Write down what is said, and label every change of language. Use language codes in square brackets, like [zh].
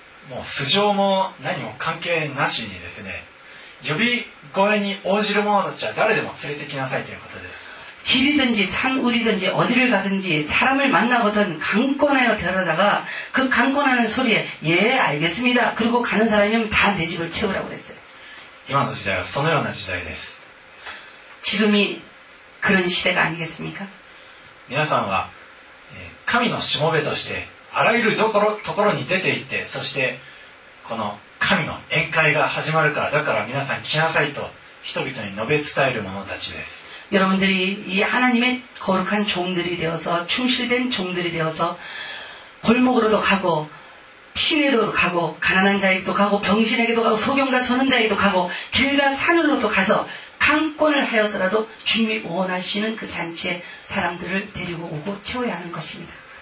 [ko] 뭐수정 [ja] も何も関係なしにですね呼び声に応じる者たちは誰でも連れてきなさいということです [ko] 길이든지산우리든지어디를가든지사람을만나거든강권하여데려다가그강권하는소리에예알겠습니다그리고가는사람이면다내집을채우라고했어요 [ja] 今の時代はそのような時代です [ko] 지금이그런시대가아니겠습니까 [ja] 皆さんは神のしもべとしてあらゆるところに出て行ってそしてこの神の宴会が始まるからだから皆さん来なさいと人々に述べ伝える者たちです [ko] 여러분들이이하나님의거룩한종들이되어서충실된종들이되어서골목으로도가고시내로도가고가난한자에게도가고병신에게도가고소경과전원자에게도가고길과산으로도가서강권을하여서라도주님이원하시는그잔치에사람들을데리고오고채워야하는것입니다